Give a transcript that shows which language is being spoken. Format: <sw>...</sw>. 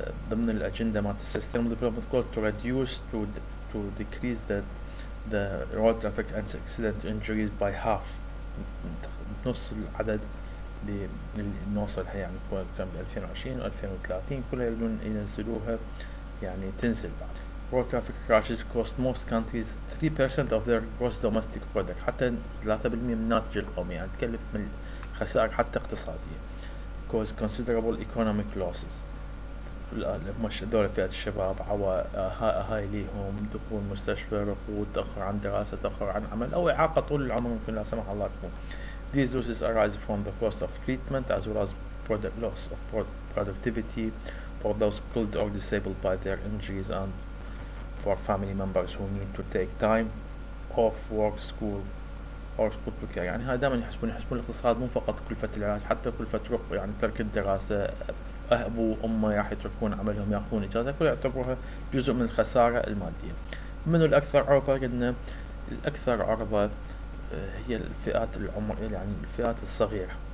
<ar>ضمن الأجندة مالت</ar> <en>Sustainable Development Goal to reduce to decrease the road traffic and accident injuries by half.</en> <ar>نص العدد اللي نوصل حي يعني كان ب 2020 و 2030 كلها يقولون ينزلوها يعني تنزل بعد.</ar> <en>Road traffic crashes cost most countries 3% of their gross domestic product,</en> <ar>حتى 3% من الناتج القومي يعني تكلف من خسائر حتى اقتصادية.</ar> <en>Cause considerable economic losses.</en> <ar>مش دول فئة الشباب عوا هاي ليهم دخول مستشفى, رقود, تأخر عن دراسة, تأخر عن عمل أو إعاقة طول العمر ممكن لا سمح الله تكون.</ar> <en>These losses arise from the cost of treatment as well as product loss of productivity for those killed or disabled by their injuries and for family members who need to take time off work, school or school to care.</en> <ar>يعني هاي دائما يحسبون الاقتصاد مو فقط كلفة العلاج, حتى كلفة رق يعني ترك الدراسة, أهبه وأمه راح يتركون عملهم ياخذون إجازة, كل يعتبروها جزء من الخسارة المادية. من الأكثر عرضة قلنا الأكثر عرضة هي الفئات العمر يعني الفئات الصغيرة.</ar>